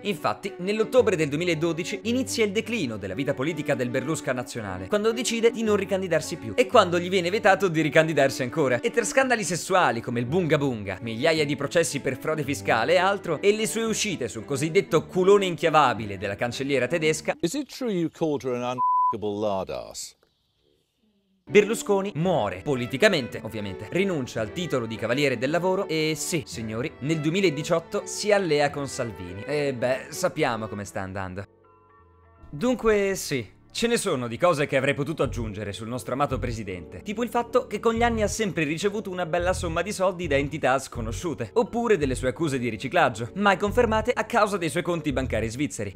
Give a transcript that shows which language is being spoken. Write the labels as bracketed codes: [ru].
[it] Infatti, nell'ottobre del 2012 inizia il declino della vita politica del Berlusca nazionale, quando decide di non ricandidarsi più e quando gli viene vietato di ricandidarsi ancora. E tra scandali sessuali come il Bunga Bunga, migliaia di processi per frode fiscale e altro, e le sue uscite sul cosiddetto culone inchiavabile della cancelliera tedesca, [en] Is it true you called her an un***able lardass? [it] Berlusconi muore, politicamente ovviamente, rinuncia al titolo di cavaliere del lavoro e sì, signori, nel 2018 si allea con Salvini. E beh, sappiamo come sta andando. Dunque sì, Ce ne sono di cose che avrei potuto aggiungere sul nostro amato presidente, tipo il fatto che con gli anni ha sempre ricevuto una bella somma di soldi da entità sconosciute, oppure delle sue accuse di riciclaggio, mai confermate a causa dei suoi conti bancari svizzeri.